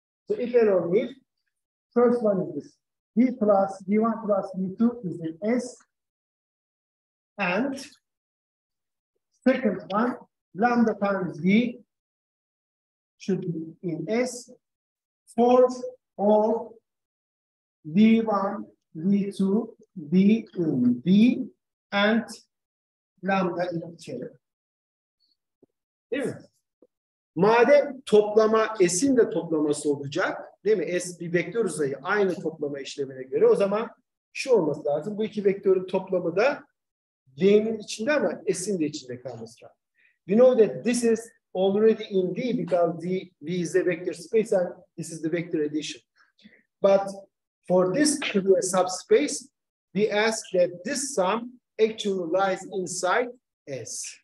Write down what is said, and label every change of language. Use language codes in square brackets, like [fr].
[en] So if and only if, first one is this, V plus V1 plus V2 is in S, and second one, lambda times V should be in S, fourth all V1, V2, V in V, and lambda in each other. [tr] Değil mi? Madem toplama S'in de toplaması olacak, değil mi? S bir vektör uzayı, aynı toplama işlemine göre. O zaman şu olması lazım. Bu iki vektörün toplamı da V'nin içinde ama S'in de içinde kalması lazım. [en] We know that this is already in V because D, V is a vector space and this is the vector addition. But for this to be a subspace, we ask that this sum actually lies inside S.